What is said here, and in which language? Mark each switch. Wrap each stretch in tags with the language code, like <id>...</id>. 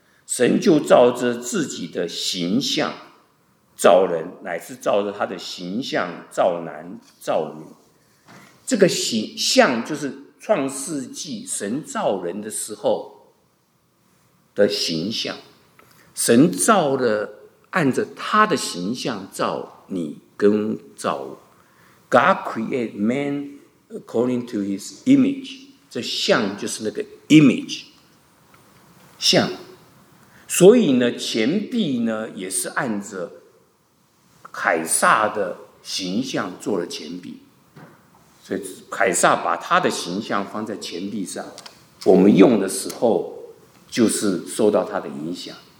<zh>神就照着自己的形象造人，乃是照着他的形象造男造女。这个形象就是创世纪神造人的时候的形象。神造了，按着他的形象造你跟造我。</zh> <en>God created man according to his image。</en> <zh>这像就是那个 image， 像。所以呢，钱币呢也是按着凯撒的形象做了钱币。所以凯撒把他的形象放在钱币上，我们用的时候就是受到他的影响。</zh>